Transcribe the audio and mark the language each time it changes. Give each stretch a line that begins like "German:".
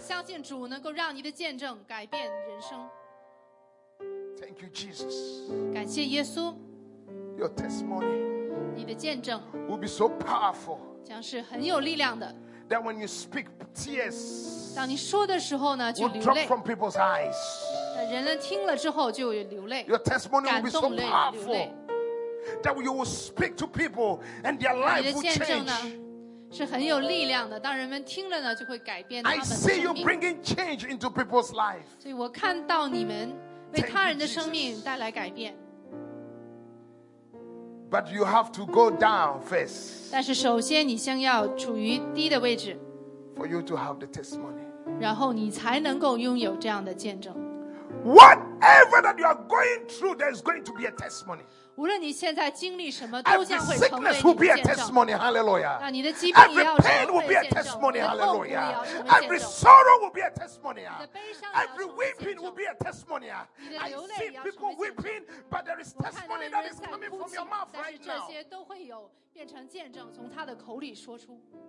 Chinese: 相信主能够让你的见证改变人生。
English: Thank you, Jesus.
Chinese: 感谢耶稣。
English: Your testimony.
Chinese: 你的见证
English: will be so powerful.
Chinese: 将是很有力量的。
English: That when you speak, tears
Chinese: 当你说的时候呢就流泪
English: will drop from people's eyes.
Chinese: 人们听了之后就流泪
English: Your testimony will be so powerful that you will speak to people and their life will change.
Chinese: 你的见证呢是很有力量的当人们听了呢就会改变他们的生命
English: I see you bringing change into people's life.
Chinese: 所以我看到你们为他人的生命带来改变
English: But you have to go down first.
Chinese: 但是首先你先要处于低的位置
English: For you to have the testimony.
Chinese: 然后你才能够拥有这样的见证
English: Whatever that you are going through There is going to be a testimony
Chinese: 无论你现在经历什么都将会成为你的见证
English: Every sickness will be a testimony Hallelujah
Chinese: 那你的疾病也要成为见证
English: Every pain will be a testimony Hallelujah
Chinese: 你的痛苦也要成为见证
English: Every sorrow will be a testimony
Chinese: 你的悲伤也要成为见证
English: Every weeping will be a testimony
Chinese: 你的流泪也要成为见证
English: I see people weeping But there is testimony that is coming from your mouth right now
Chinese: 但是这些都会有变成见证从他的口里说出